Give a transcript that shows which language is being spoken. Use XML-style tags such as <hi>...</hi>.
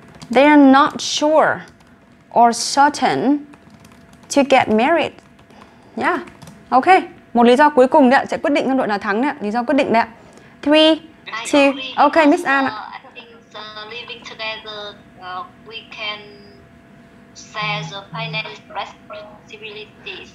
<en>They are not sure or certain to get married. Yeah, ok.</en> <vi>Một lý do cuối cùng đấy sẽ quyết định đội nào thắng đấy, lý do quyết định đấy. 3, 2, ok, Miss Anne ạ.</vi> <en>Living together, we can share the financial responsibilities.</en>